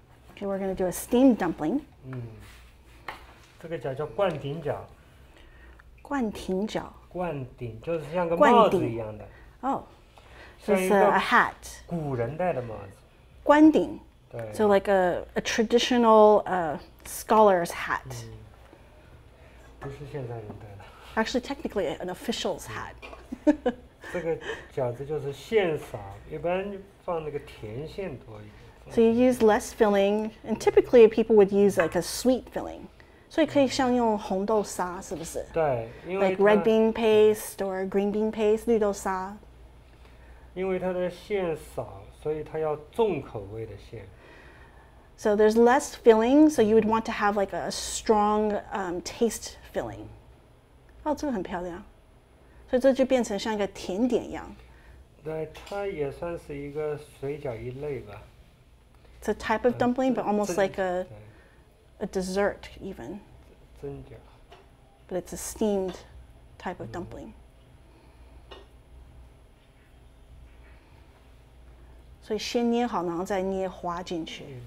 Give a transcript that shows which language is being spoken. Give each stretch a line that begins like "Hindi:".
English: Okay, we're going to do a steamed dumpling.
Chinese: 这个饺叫灌顶饺. 灌顶饺. 灌顶, 就是像个帽子一样的.
English: Oh, so it's a hat.
Chinese: 古人戴的帽子.
English: 灌顶.So like a traditional scholar's hat.
Chinese: 不是现在人戴的.
English: Actually, technically an official's hat.
Chinese: 这个饺子就是馅少, 一般放那个甜馅多一点.
English: So you use less filling, and typically people would use like a sweet filling. So you can use
Chinese: 像用红豆沙, 是不是? 对,
English: like red bean paste or green bean paste, 绿豆沙.
Chinese: 因为它的馅少, 所以它要重口味的馅.
English: So there's less filling, so you would want to have like a strong taste filling.
Chinese: 哦,这个很漂亮. 所以这就变成像一个甜点一样. 对,它也算是一个水饺一类吧.
English: It's a type of dumpling, but almost like a dessert, even.
Chinese: 蒸饺.
English: But it's a steamed type of dumpling.
Chinese: So, 先捏好,然后再捏花进去.